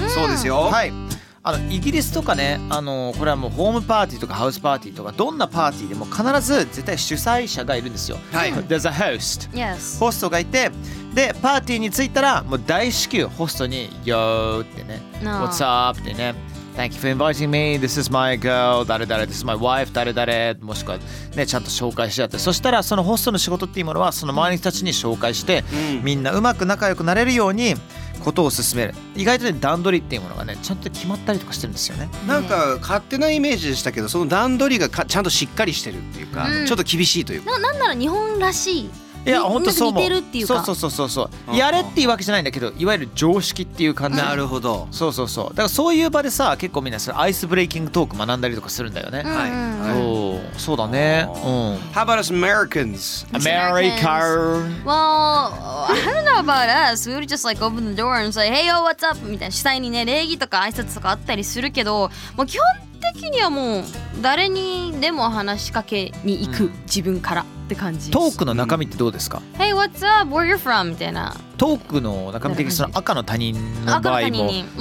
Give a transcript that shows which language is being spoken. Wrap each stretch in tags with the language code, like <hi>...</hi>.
<ja>そうですよ、はい、イギリスとかね、これはもうホームパーティーとかハウスパーティーとかどんなパーティーでも必ず絶対主催者がいるんですよ。はい、</ja> <en>There's a host、 yes.</en> <ja>ホストがいて、でパーティーに着いたらもう大至急ホストに Yo ってね、</ja> <en>no. What's up</en> <ja>ってね、</ja> <en>Thank you for inviting me. This is my girl.</en> <ja>誰誰、</ja> <en>This is my wife.</en> <ja>誰誰、もしくはね、ちゃんと紹介し合って、そしたらそのホストの仕事っていうものはその周りの人たちに紹介して、みんなうまく仲良くなれるようにことを進める。意外とね、段取りっていうものがね、ちゃんと決まったりとかしてるんですよね。なんか勝手なイメージでしたけど、その段取りがちゃんとしっかりしてるっていうか、ちょっと厳しいというか。なんなら日本らしい。いや本当そう思う。似てるっていうか。そうそうそうそう、やれっていうわけじゃないんだけど、いわゆる常識っていう感じ。なるほど。そうそうそう。だからそういう場でさ、結構みんなそれアイスブレイキングトーク学んだりとかするんだよね。はい。そう、そうだね。うん。</ja> <en>How about us Americans? America. Well, I don't know about us. We would just like open the door and say, "Hey, yo, what's up?"</en> <ja>みたいな、主催にね礼儀とか挨拶とかあったりするけど、もう基本的にはもう誰にでも話しかけに行く、自分から。って感じ。トークの中身ってどうですか、</ja> <en>Hey, what's up? Where are you from?</en> <ja>みたいな。トークの中身的にその赤の他人の場合もあるわけでしょ。</ja>